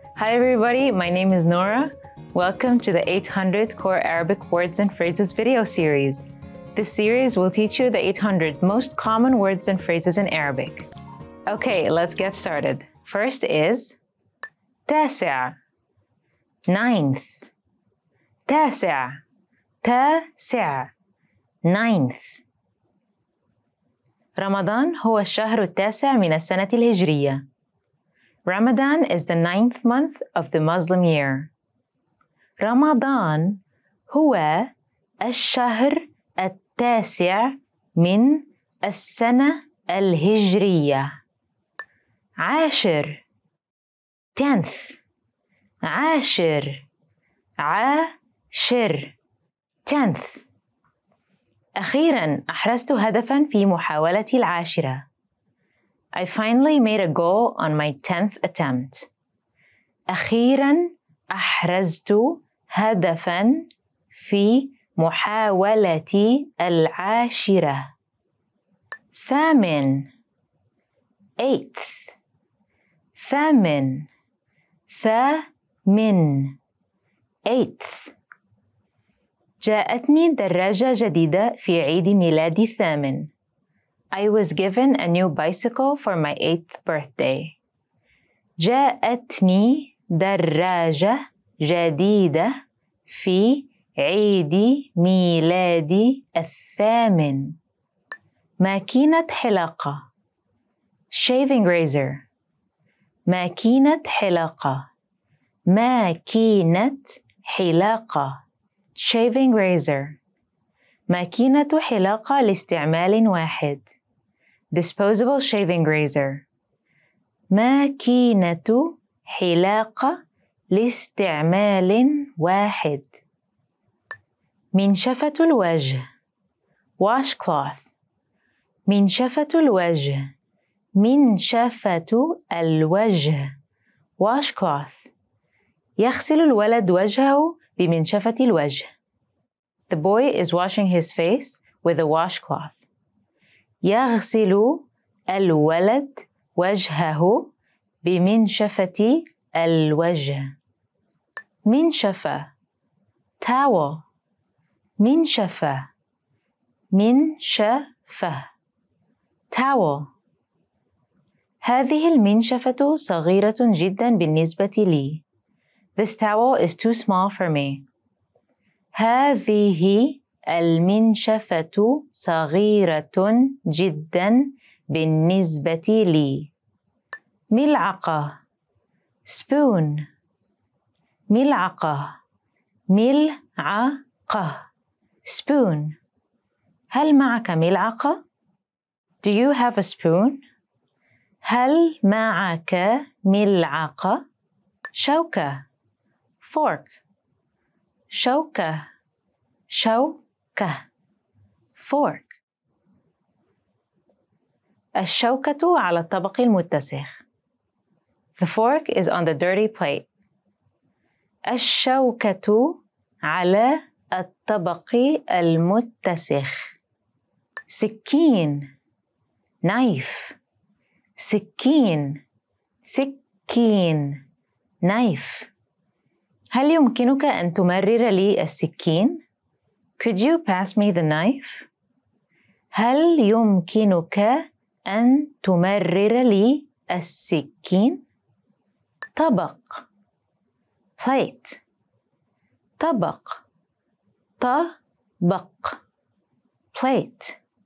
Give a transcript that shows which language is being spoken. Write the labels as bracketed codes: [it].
[en] Hi everybody, my name is Nora. Welcome to the 800 Core Arabic Words and Phrases video series. This series will teach you the 800 most common words and phrases in Arabic. Okay, let's get started. First is [ar] تاسع, [en] ninth. [ar] تاسع, تاسع, [en] ninth. [ar] رمضان هو الشهر التاسع من السنة الهجرية. [en] Ramadan is the ninth month of the Muslim year. [ar] رمضان هو الشهر التاسع من السنة الهجرية. عاشر, [en] tenth, [ar] عاشر, عاشر, tenth. أخيراً أحرزت هدفاً في محاولتي العاشرة. [en] I finally made a goal on my 10th attempt. [ar] أخيراً أحرزت هدفاً في محاولتي العاشرة. ثامن, [en] eighth. [ar] ثامن, ثامن, eighth. جاءتني دراجة جديدة في عيد ميلادي الثامن. [en] I was given a new bicycle for my 8th birthday. [ar] جاءتني دراجة جديدة في عيد ميلادي الثامن. ماكينة حلاقة. [en] Shaving razor. [ar] ماكينة حلاقة. ماكينة حلاقة. [en] Shaving razor. [ar] ماكينة حلاقة لاستعمال واحد. [en] Disposable shaving razor. [ar] ماكينة حلاقة لاستعمال واحد. منشفة الوجه. [en] Washcloth. [ar] منشفة الوجه. منشفة الوجه. [en] Washcloth. [ar] يغسل الولد وجهه بمنشفة الوجه. [en] The boy is washing his face with a washcloth. [ar] يغسل الولد وجهه بمنشفة الوجه. منشفة, [en] towel. [ar] منشفة, منشفة, towel. هذه المنشفة صغيرة جدا بالنسبة لي. [en] This towel is too small for me. [ar] هذه المنشفة صغيرة جدا بالنسبة لي. ملعقة, [en] spoon. [ar] ملعقة, ملعقة, [en] spoon. [ar] هل معك ملعقة؟ [en] Do you have a spoon? [ar] هل معك ملعقة؟ شوكة, [en] fork. [ar] شوكة, شوكة, [en] fork. [ar] الشوكة على الطبق المتسخ. [en] The fork is on the dirty plate. [ar] الشوكة على الطبق المتسخ. سكين, [en] knife. [ar] سكين, سكين, [en] knife. [ar] هل يمكنك أن تمرر لي السكين؟ [en] Could you pass me the knife? [ar] هل يمكنك أن تمرر لي السكين؟ طبق, [en] plate. [ar] طبق, طبق, [en] plate.